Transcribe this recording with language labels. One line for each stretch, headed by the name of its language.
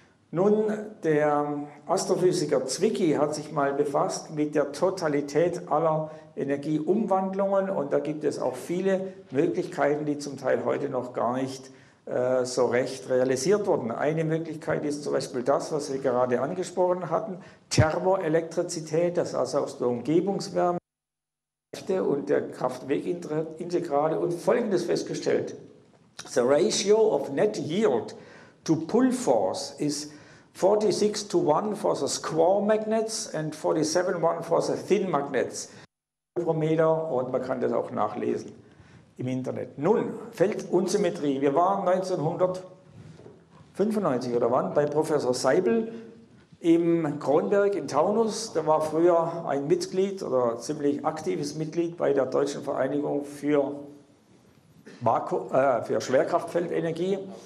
German: Nun, der Astrophysiker Zwicky hat sich mal befasst mit der Totalität aller Energieumwandlungen und da gibt es auch viele Möglichkeiten, die zum Teil heute noch gar nicht so recht realisiert wurden. Eine Möglichkeit ist zum Beispiel das, was wir gerade angesprochen hatten, Thermoelektrizität, das also aus der Umgebungswärme und der Kraft-Weg-Integrale und Folgendes festgestellt.
English: The ratio of net yield to pull force is 46 to 1 for the square magnets and 47 to 1 for the thin magnets.
German: Und man kann das auch nachlesen im Internet. Nun, Feldunsymmetrie. Wir waren 1995 oder wann bei Professor Seibel im Kronberg in Taunus, der war früher ein Mitglied oder ziemlich aktives Mitglied bei der Deutschen Vereinigung für Schwerkraftfeldenergie.